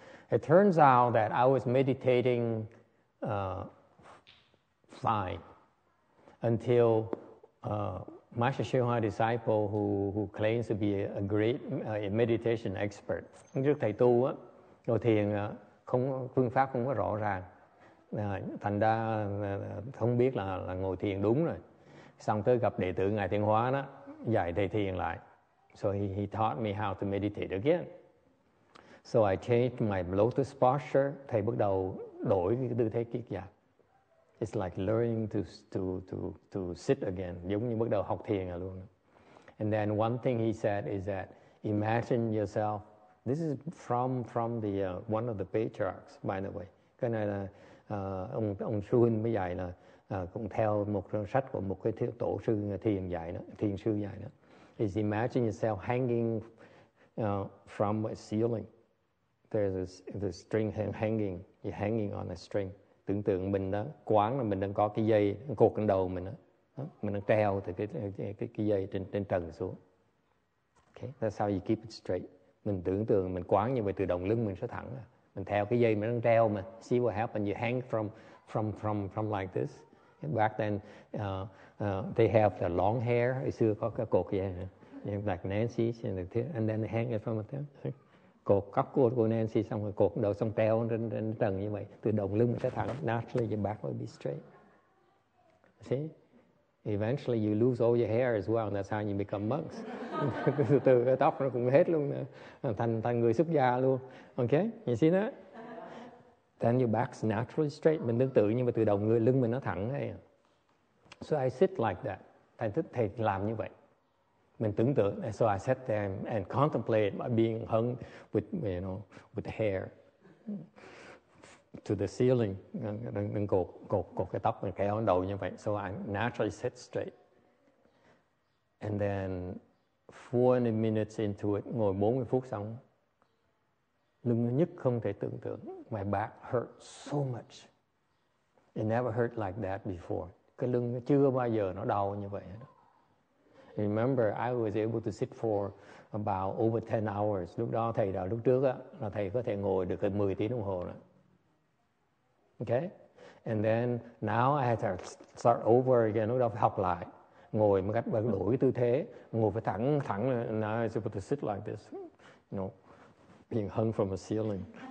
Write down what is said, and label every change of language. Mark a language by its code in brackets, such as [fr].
[en] It turns out that I was meditating fine until Master Shihua disciple who claims to be a great meditation expert, [vi] trước thầy tu á, ngồi thiền không, phương pháp không có rõ ràng. Thành ra không biết là ngồi thiền đúng rồi. Xong tới gặp đệ tử Ngài Thiện Hóa đó, dạy thầy thiền lại. [en] So he taught me how to meditate again. So I changed my lotus posture. [vi] Thầy bắt đầu đổi cái tư thế kiết giả. [en] It's like learning to sit again. [vi] Giống như bắt đầu học thiền luôn. [en] And then one thing he said is that imagine yourself. This is from the one of the patriarchs, by the way. [vi] Cái này là ông sư huynh mới dạy, là cũng theo một sách của một cái tổ sư thiền dạy đó, thiền sư dạy đó. [en] Is imagine yourself hanging from a ceiling. There's the string hanging. You're hanging on a string. [vi] Tưởng tượng mình đó, quán là mình đang có cái dây, cột trên đầu mình đó. Mình đang treo từ cái dây trên trần xuống. [en] Okay, that's how you keep it straight. [vi] Mình tưởng tượng mình quán như vậy, tự động lưng mình sẽ thẳng. Mình theo cái dây mình đang treo mà. [en] See what happens, you hang from like this. Back then, they have the long hair. [vi] Hồi xưa có cái cột vậy. [en] Like Nancy, and then they hang it from there. [vi] Cột cắp của Nancy, xong rồi cột đầu xong treo trên trần như vậy. Tự động lưng mình sẽ thẳng. [en] Naturally, your back will be straight. See? Eventually, you lose all your hair as well, and that's how you become monks. [vi] Từ cái tóc nó cũng hết luôn, thành người xuất gia luôn. [en] Okay, you see that? Then your back's naturally straight. [vi] Mình tương tự nhưng mà từ đầu người lưng mình nó thẳng ấy. [en] So I sit like that. [vi] Thầy thích thầy làm như vậy. [en] Mình tưởng tượng. So I sat there and contemplate by being hung with, you know, with hair to the ceiling, [vi] đang cột cái tóc, mình kéo đầu như vậy. [en] So I naturally sit straight. And then 40 minutes into it, [vi] ngồi 40 phút xong, lưng nhức không thể tưởng tượng. [en] My back hurt so much. It never hurt like that before. [vi] Cái lưng chưa bao giờ nó đau như vậy. [en] Remember, I was able to sit for about over 10 hours. [vi] Lúc đó thầy đã, lúc trước á, là thầy có thể ngồi được 10 tiếng đồng hồ đó. [en] Okay, and then now I had to start over again. [vi] Lúc đó phải học lại, ngồi một cách phải đổi tư thế, ngồi phải thẳng. [en] Now I'm supposed to sit like this, you know, being hung from a ceiling.